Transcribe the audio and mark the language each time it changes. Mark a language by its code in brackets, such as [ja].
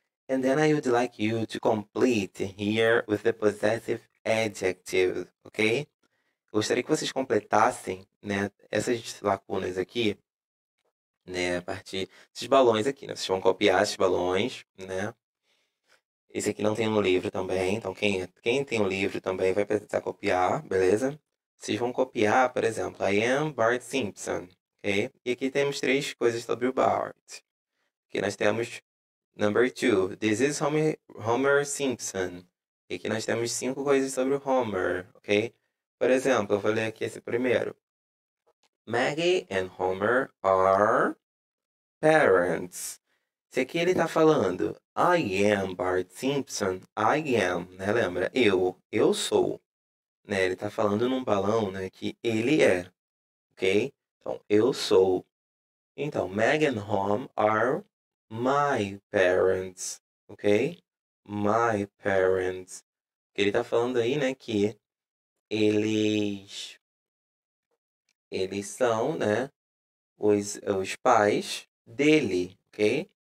[en] And then I would like you to complete here with the possessive adjective, okay? [pt] Gostaria que vocês completassem, né, essas lacunas aqui, né, a partir desses balões aqui, né? Vocês vão copiar esses balões, né? Esse aqui não tem um livro também, então quem tem um livro também vai precisar copiar, beleza? Vocês vão copiar, por exemplo, [en] I am Bart Simpson, [pt] ok? E aqui temos três coisas sobre o Bart. Aqui nós temos number two, [en] this is Homer Simpson. [pt] E aqui nós temos cinco coisas sobre o Homer, ok? Por exemplo, eu vou ler aqui esse primeiro. [en] Maggie and Homer are parents. [pt] Esse aqui ele está falando, [en] I am Bart Simpson, I am, [pt] né? Lembra? Eu sou. Né? Ele está falando num balão, né, que ele é, ok? Então, eu sou. Então, [en] Maggie and Homer are my parents, ok? My parents. [pt] Que ele tá falando aí, né, que eles são, né, os pais dele, ok?